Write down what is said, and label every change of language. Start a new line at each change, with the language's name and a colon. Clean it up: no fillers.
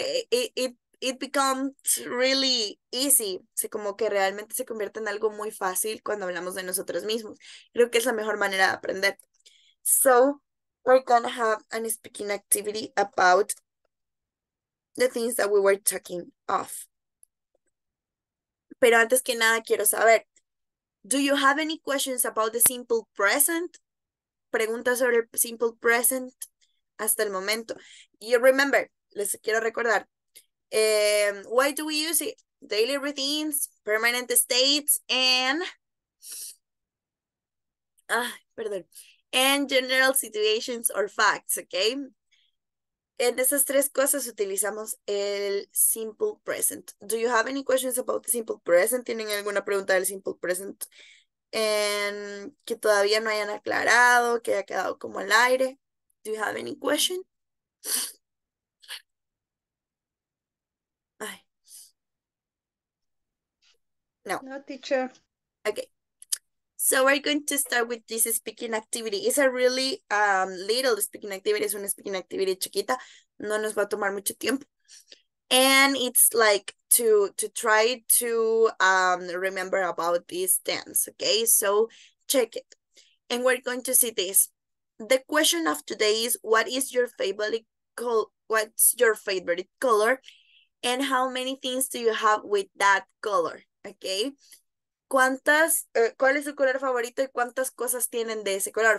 English: It becomes really easy.
Spanish: Se como que realmente se convierte en algo muy fácil cuando hablamos de nosotros mismos. Creo que es la mejor manera de aprender.
English: So, we're gonna have an speaking activity about the things that we were talking of.
Spanish: Pero antes que nada, quiero saber,
English: do you have any questions about the simple present?
Spanish: Preguntas sobre el simple present hasta el momento.
English: You remember,
Spanish: les quiero recordar,
English: why do we use it? Daily routines, permanent states, and, perdón, and general situations or facts, ¿ok?
Spanish: En esas tres cosas utilizamos el simple present.
English: Do you have any questions about the simple present?
Spanish: ¿Tienen alguna pregunta del simple present en que todavía no hayan aclarado, que haya quedado como al aire?
English: Do you have any question? No, teacher. Okay. So we're going to start with this speaking activity. It's a really little speaking activity.
Spanish: Es una speaking activity chiquita. No nos va a tomar mucho tiempo.
English: And it's like to try to remember about this dance. Okay, so check it. And we're going to see this. The question of today is, what is your favorite color? What's your favorite color? And how many things do you have with that color? Okay.
Spanish: ¿Cuál es su color favorito y cuántas cosas tienen de ese color?